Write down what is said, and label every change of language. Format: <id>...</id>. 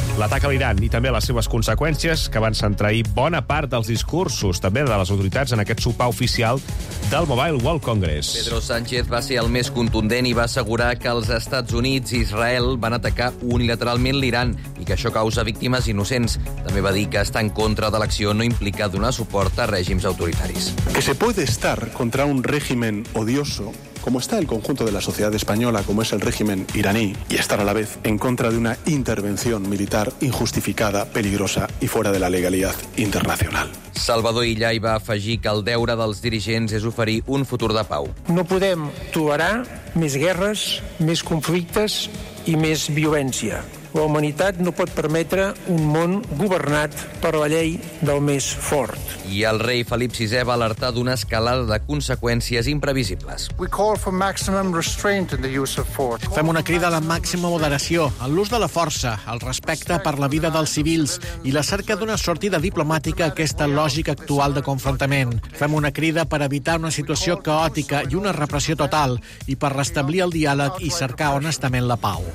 <ca>L'atac a l'Iran i també les seves conseqüències que van centrar bona part dels discursos també de les autoritats en aquest sopar oficial del Mobile World Congress. Pedro Sánchez va ser el més contundent i va assegurar que els Estats Units i Israel van atacar unilateralment l'Iran i que això causa víctimes innocents. També va dir que està en contra de l'acció no implica donar suport a règims autoritaris.</ca> <es>Que se puede estar contra un régimen odioso como está el conjunto de la sociedad española, como es el régimen iraní, y estar a la vez en contra de una intervención militar injustificada, peligrosa y fuera de la legalidad internacional.</es> <ca>Salvador Illa hi va afegir que el deure dels dirigents és oferir un futur de pau. No podem tolerar més guerres, més conflictes i més violència. La humanitat no pot permetre un món governat per la llei del més fort. I el rei Felip VI va alertar d'una escalada de conseqüències imprevisibles.</ca> <en>We call for maximum restraint in the use of force.</en> <ca>Fem una crida a la màxima moderació, a l'ús de la força, al respecte per la vida dels civils i la cerca d'una sortida diplomàtica a aquesta lògica actual de confrontament. Fem una crida per evitar una situació caòtica i una repressió total i per restablir el diàleg i cercar honestament la pau.</ca>